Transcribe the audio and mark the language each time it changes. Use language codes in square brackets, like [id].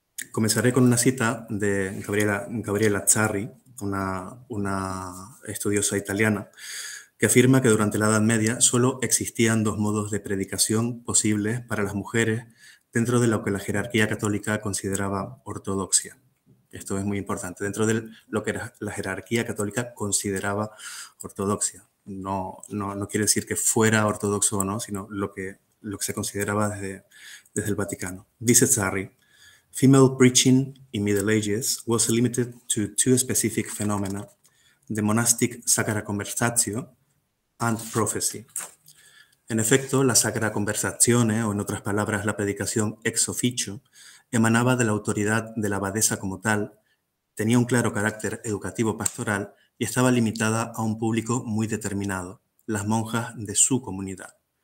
[es] Comenzaré con una cita de Gabriela Zarri, una estudiosa italiana, que afirma que durante la Edad Media solo existían dos modos de predicación posibles para las mujeres dentro de lo que la jerarquía católica consideraba ortodoxia. Esto es muy importante, dentro de lo que la jerarquía católica consideraba ortodoxia. No quiere decir que fuera ortodoxo o no, sino lo que se consideraba desde el Vaticano. Dice Zarri, [en] "Female preaching in Middle Ages was limited to two specific phenomena, the monastic sacra conversatio and prophecy." [es] En efecto, la sacra conversazione, o en otras palabras, la predicación ex officio, emanaba de la autoridad de la abadesa como tal, tenía un claro carácter educativo pastoral y estaba limitada a un público muy determinado, las monjas de su comunidad.